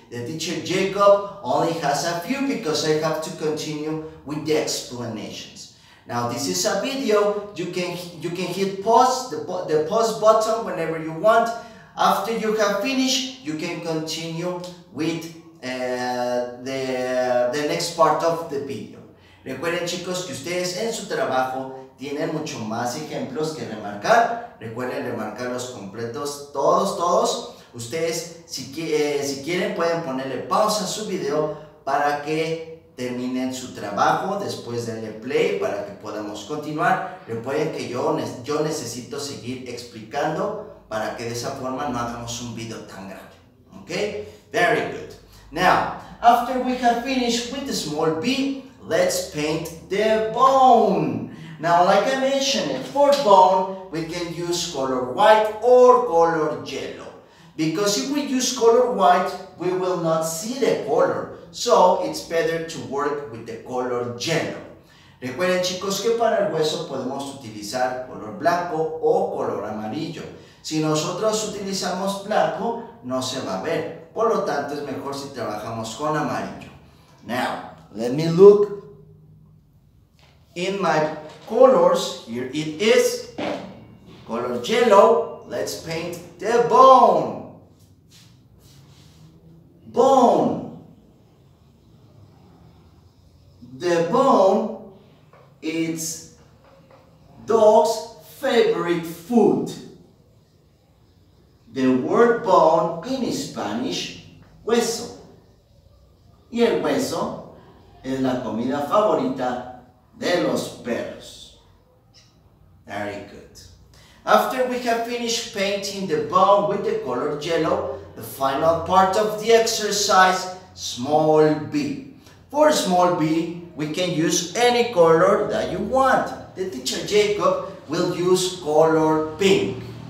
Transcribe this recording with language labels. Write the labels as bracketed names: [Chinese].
[English] The teacher Jacob only has a few because I have to continue with the explanations. Now this is a video, you can hit pause, the pause button whenever you want. After you have finished, you can continue with the next part of the video. [Spanish] Recuerden, chicos, que ustedes en su trabajo tienen mucho más ejemplos que remarcar. Recuerden remarcarlos completos, todos. Ustedes, si quieren, pueden ponerle pausa a su video para que terminen su trabajo. Después denle play para que podamos continuar. Recuerden que yo necesito seguir explicando para que de esa forma no hagamos un video tan grande. [English] ¿Ok? Very good. Now, after we have finished with the small B, let's paint the bone. Now, like I mentioned, for bone, we can use color white or color yellow. Because if we use color white, we will not see the color. So, it's better to work with the color yellow. [Spanish] Recuerden, chicos, que para el hueso podemos utilizar color blanco o color amarillo. Si nosotros utilizamos blanco, no se va a ver. Por lo tanto, es mejor si trabajamos con amarillo. [English] Now, let me look in my colors. Here it is, color yellow. Let's paint the bone. Bone. The bone is dog's favorite food. The word bone in Spanish, hueso. [Spanish] Y el hueso es la comida favorita de los perros. [English] Very good. After we have finished painting the bone with the color yellow, the final part of the exercise, small B. For small B, we can use any color that you want. The teacher Jacob will use color pink.